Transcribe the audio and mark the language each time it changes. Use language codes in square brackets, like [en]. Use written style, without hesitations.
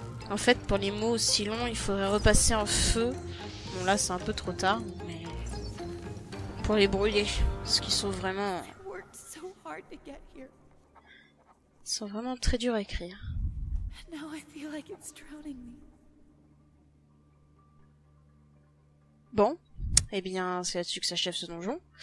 [fr] En fait, pour les mots aussi longs, il faudrait repasser en feu. Bon, là c'est un peu trop tard, mais. Pour les brûler, parce qu'ils sont vraiment. Ils sont vraiment très durs à écrire. [en] Now I feel like it's drowning me. [fr] Bon, eh bien, c'est là-dessus que s'achève ce donjon.